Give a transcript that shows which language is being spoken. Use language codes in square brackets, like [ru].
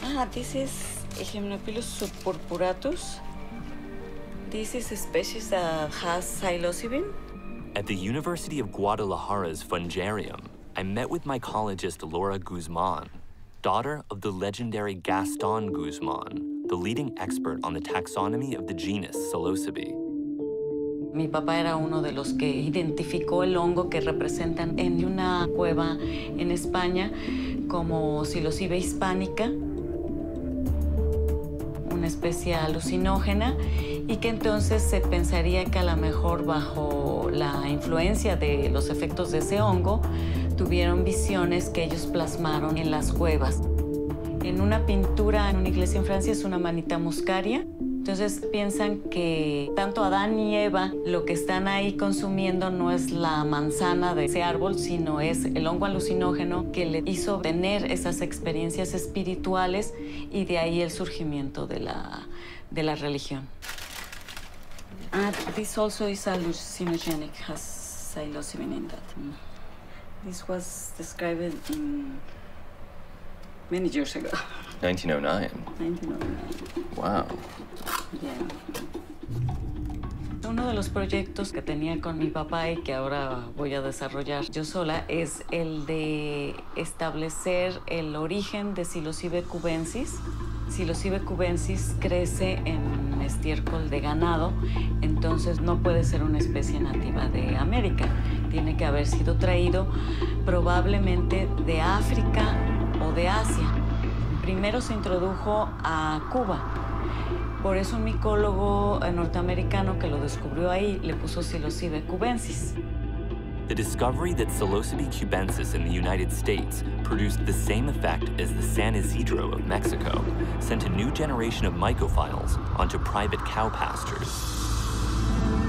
[en] This is Hymenopilus subpurpuratus. This is a species that has psilocybin. At the University of Guadalajara's Fungarium, I met with mycologist Laura Guzman, daughter of the legendary Gaston Guzman, the leading expert on the taxonomy of the genus Psilocybe. [es] Mi papá era uno de los que identificó el hongo que representan en una cueva en España como Psilocybe hispánica, una especie alucinógena, y que entonces se pensaría que a lo mejor bajo la influencia de los efectos de ese hongo tuvieron visiones que ellos plasmaron en las cuevas. En una pintura en una iglesia en Francia es una manita muscaria. Entonces piensan que tanto Adán y Eva lo que están ahí consumiendo no es la manzana de ese árbol, sino es el hongo alucinógeno que le hizo tener esas experiencias espirituales y de ahí el surgimiento de la religión. [en] This also is hallucinogenic, has psilocybin in that. This was described in many years ago. 1909. Wow. Yeah. [es] Uno de los proyectos que tenía con mi papá y que ahora voy a desarrollar yo sola es el de establecer el origen de Psilocybe cubensis. Psilocybe cubensis crece en estiércol de ganado, entonces no puede ser una especie nativa de América. Tiene que haber sido traído probablemente de África o de Asia. Primero se introdujo a Cuba. Por eso un micólogo norteamericano que lo descubrió ahí le puso Psilocybe cubensis. [en] The discovery that Psilocybe cubensis in the United States produced the same effect as the San Isidro of Mexico sent a new generation of mycophiles onto private cow pastures.